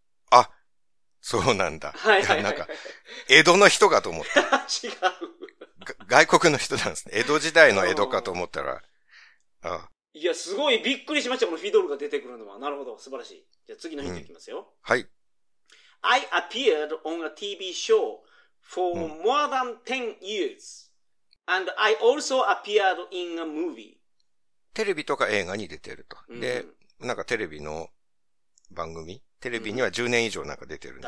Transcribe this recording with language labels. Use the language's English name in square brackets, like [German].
[Japanese] あ、そうなんだ。いや、なんか、江戸の人かと思った。外国の人なんですね。江戸時代の江戸かと思ったら、あ。いや、すごいびっくりしました、このフィドルが出てくるのは。なるほど、素晴らしい。じゃあ次のヒントいきますよ。はい。 [English] I appeared on a TV show for more than 10 years, and I also appeared in a movie. [Japanese] テレビとか映画に出てると。で、なんかテレビの番組、テレビには10年以上なんか出てるんで